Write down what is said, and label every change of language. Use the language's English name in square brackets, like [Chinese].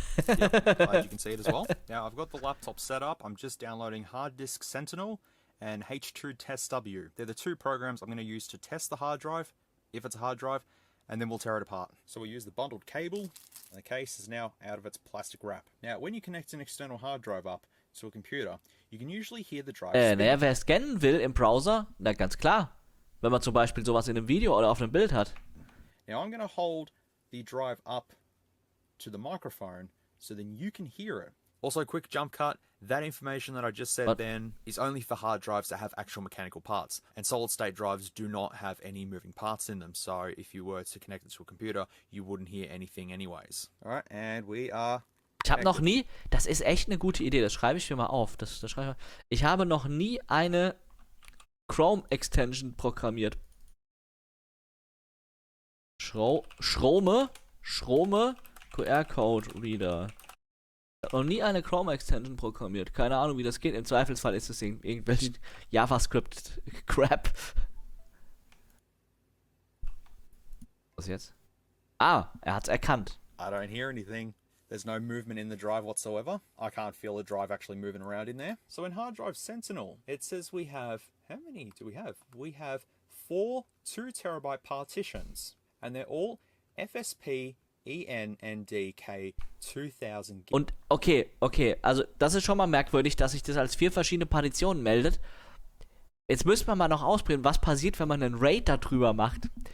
[English] Yep, you can see it as well. Now, I've got the laptop set up. I'm just downloading Hard Disk Sentinel and H2 Test W. They're the two programs I'm going to use to test the hard drive, if it's a hard drive, and then we'll tear it apart. So we'll use the bundled cable, and the case is now out of its plastic wrap. Now, when you connect an external hard drive up to a computer, you can usually hear the drive spin. [German] Naja, wer scannen will im Browser, na ganz klar. Wenn man zum Beispiel sowas in einem Video oder auf einem Bild hat. [English] Now I'm going to hold the drive up to the microphone, so then you can hear it. Also, quick jump cut, that information that I just said then is only for hard drives that have actual mechanical parts. And solid state drives do not have any moving parts in them. So if you were to connect it to a computer, you wouldn't hear anything anyways. All right, and we are... [German] Ich habe noch nie, das ist echt eine gute Idee, das schreibe ich mir mal auf. Das schreibe ich, mal. Ich habe noch nie eine Chrome-Extension programmiert. Schrome, QR-Code-Reader. Noch nie eine Chrome-Extension programmiert. Keine Ahnung, wie das geht. Im Zweifelsfall ist es irgendwelche JavaScript-Crap. Was jetzt? Ah, er hat's erkannt. [English] I don't hear anything. There's no movement in the drive whatsoever. I can't feel the drive actually moving around in there. So in Hard Drive Sentinel, it says we have, how many do we have? We have 4 2-terabyte partitions, and they're all FSP ENNDK2000. [German] Und okay, also das ist schon mal merkwürdig, dass sich das als 4 verschiedene Partitionen meldet. Jetzt müssen wir mal noch ausprobieren, was passiert, wenn man einen RAID da drüber macht.